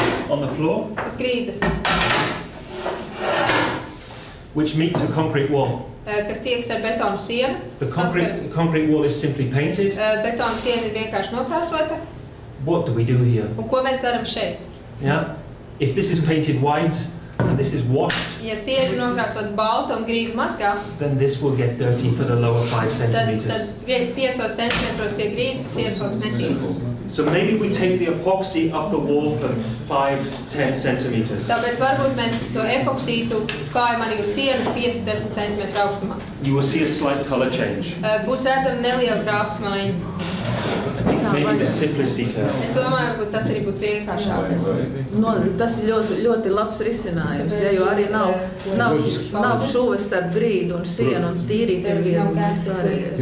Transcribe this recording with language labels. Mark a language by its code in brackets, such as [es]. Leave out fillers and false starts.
[en] On the floor? [lv] Uz grīdas. [en] Which meets a concrete wall. [lv] Kas tieks ar betonu sienu. [en] The concrete wall is simply painted. [lv] Betona siena ir vienkārši nokrāsota. [en] What do we do here? [lv] Un ko mēs darām šeit? [en] Yeah. If this is painted white and this is washed. [lv] Ja siena ir nokrāsota balta un grīda mazgā. [en] Then this will get dirty for the lower 5 centimeters. [lv] Tad 5 centimetros pie grīdas siena paliks netīra. [en] So maybe we take the epoxy up the wall for 5-10 centimeters. [lv] Tāpēc varbūt mēs to epoksītu kājam arī uz sienu 5-10 centimetru augstumā. [en] You will see a slight color change. [lv] Būs redzama neliela krāsmaiņa. [en] Maybe the simplest detail. [lv] Es domāju, ka tas arī būtu vienkāršākais. No, tas ir ļoti, ļoti labs risinājums, ja, jo arī nav šuves starp grīdu un sienu un tīrīt ir vienkāršākais.